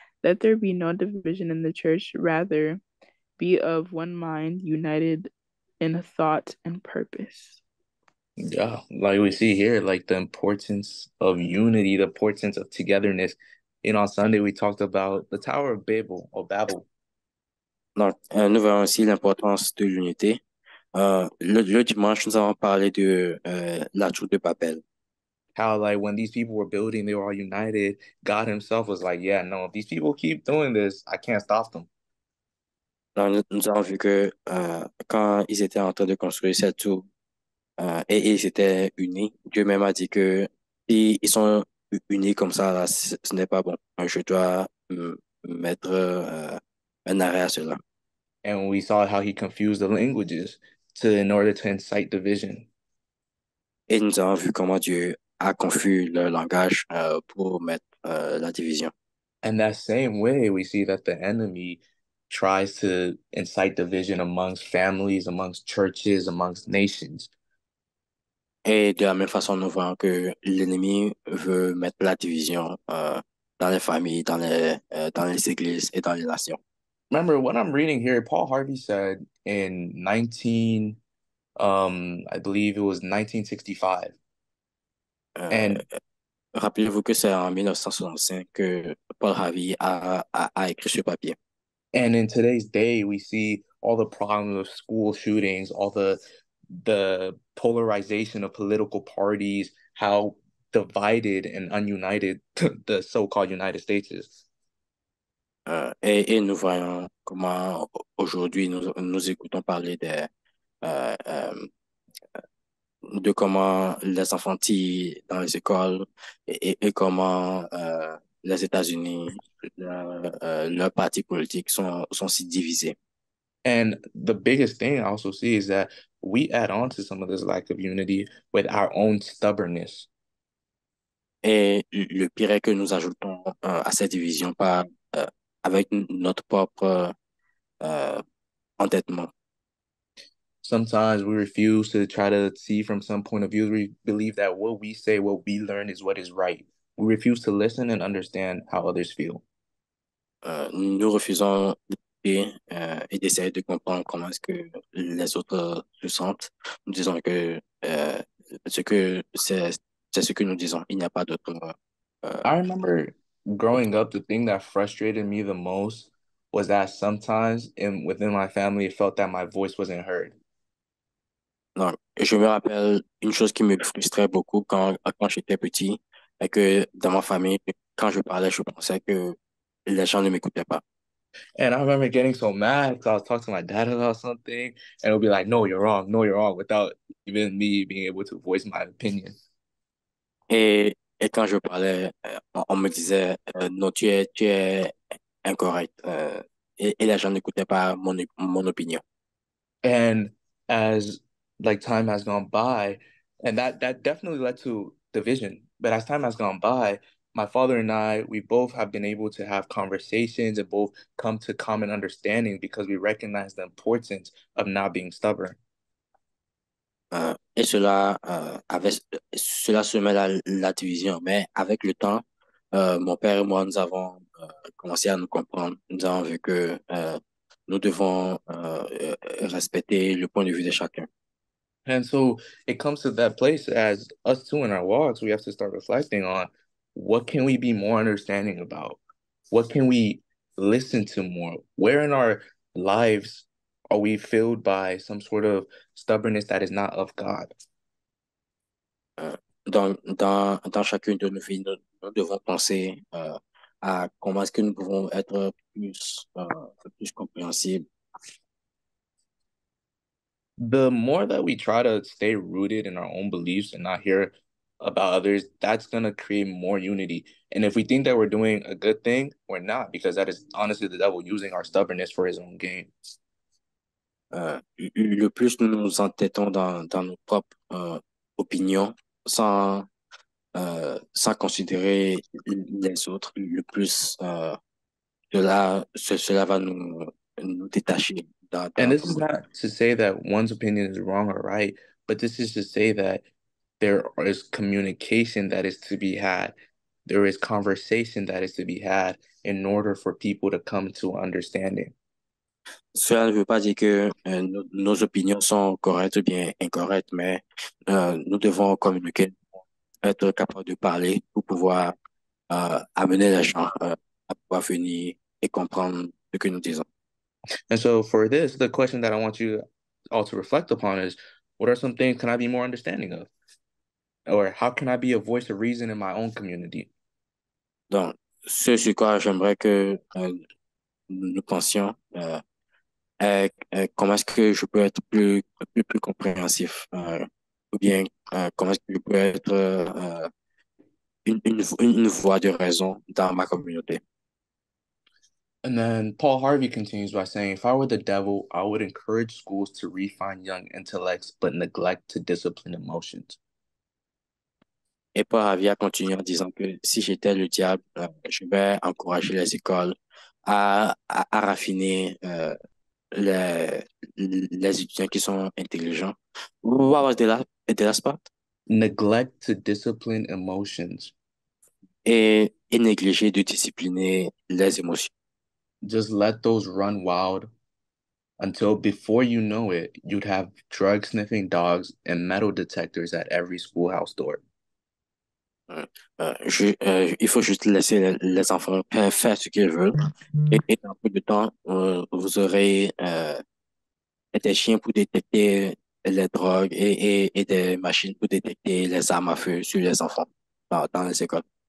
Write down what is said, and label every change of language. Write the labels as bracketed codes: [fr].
[en] Let there be no division in the church, rather be of one mind, united in thought and purpose. Yeah, like we see here, like the importance of unity, the importance of togetherness. You know, on Sunday we talked about the Tower of Babel or Babel. [fr] Donc, nous voyons aussi l'importance de l'unité. Le dimanche, nous avons parlé de la tour de Babel. [en] How, like, when these people were building, they were all united. God himself was like, yeah, no, if these people keep doing this, I can't stop them. [fr] Donc, nous avons vu que quand ils étaient en train de construire cette tour et ils étaient unis, Dieu même a dit que s'ils sont unis comme ça, là, ce n'est pas bon. Je dois mettre... [en] And we saw how he confused the languages to in order to incite division. [fr] Et nous avons vu comment Dieu a confus le langage pour mettre la division. [en] And that same way, we see that the enemy tries to incite division amongst families, amongst churches, amongst nations. [fr] Et de la même façon, nous voyons que l'ennemi veut mettre la division dans les familles, dans les églises et dans les nations. [en] Remember what I'm reading here, Paul Harvey said in 1965. And [fr] rappelez-vous que c'est en 1965 que Paul Harvey a écrit ce papier. [en] And in today's day, we see all the problems of school shootings, all the polarization of political parties, how divided and ununited the so-called United States is. [fr] Et nous voyons comment aujourd'hui nous écoutons parler de comment les enfants tirent dans les écoles et comment les États-Unis, leur parti politique sont si divisés. [en] And the biggest thing I also see is that we add on to some of this lack of unity with our own stubbornness. [fr] Et le pire est que nous ajoutons à cette division par avec notre propre entêtement. [en] Sometimes we refuse to try to see from some point of view. We believe that what we say, what we learn is what is right. We refuse to listen and understand how others feel. [fr] Nous refusons d'écouter et d'essayer de comprendre comment est-ce que les autres se sentent. Nous disons que c'est ce que nous disons. Il n'y a pas d'autre. [en] I remember growing up, the thing that frustrated me the most was that sometimes within my family, it felt that my voice wasn't heard. [fr] Non, je me rappelle une chose qui me frustrait beaucoup quand j'étais petit, et que dans ma famille, quand je parlais, je pensais que les gens ne m'écoutaient pas. [en] And I remember getting so mad because I was talking to my dad about something, and it would be like, no, you're wrong, without even me being able to voice my opinion. [fr] Et quand je parlais, on me disait, non, tu es incorrect. Et les gens n'écoutaient pas mon opinion. [en] And as like time has gone by, and that definitely led to division. But as time has gone by, my father and I, we both have been able to have conversations and both come to common understanding because we recognize the importance of not being stubborn. [fr] Et cela se met à la division. Mais avec le temps, mon père et moi, nous avons commencé à nous comprendre. Nous avons vu que nous devons respecter le point de vue de chacun. [en] And so, it comes to that place as us two in our walks, we have to start reflecting on what can we be more understanding about? What can we listen to more? Where in our lives are we filled by some sort of stubbornness that is not of God? [fr] Dans chacune de nos vies, nous devons penser à comment est-ce que nous pouvons être plus compréhensibles. [en] The more that we try to stay rooted in our own beliefs and not hear about others, that's going to create more unity. And if we think that we're doing a good thing, we're not, because that is honestly the devil using our stubbornness for his own gain. [fr] Le plus nous nous entêtons dans nos propres opinions sans considérer les autres, le plus cela va nous détacher [en] And this is not to say that one's opinion is wrong or right, but this is to say that there is communication that is to be had. There is conversation that is to be had in order for people to come to understanding. [fr] Cela ne veut pas dire que nos opinions sont correctes ou bien incorrectes, mais nous devons communiquer, être capables de parler pour pouvoir amener les gens à pouvoir venir et comprendre ce que nous disons. [en] And so for this, the question that I want you all to reflect upon is, what are some things can I be more understanding of? Or how can I be a voice of reason in my own community? [fr] Donc, ce sur quoi j'aimerais que nous pensions, comment est-ce que je peux être plus compréhensif, ou bien comment est-ce que je peux être une voix de raison dans ma communauté. [en] And then Paul Harvey continues by saying, if I were the devil, I would encourage schools to refine young intellects but neglect to discipline emotions. [fr] Et Paul Harvey a continué en disant que si j'étais le diable, je vais encourager les écoles à raffiner les étudiants qui sont intelligents. [en] What was the last part? Neglect to discipline emotions. [fr] Et négliger de discipliner les émotions. [en] Just let those run wild until before you know it, you'd have drug sniffing dogs and metal detectors at every schoolhouse door. [fr] Il faut juste laisser les enfants faire ce qu'ils veulent. Et dans peu de temps, vous aurez des chiens pour détecter les drogues et des machines pour détecter les armes à feu sur les enfants dans les écoles.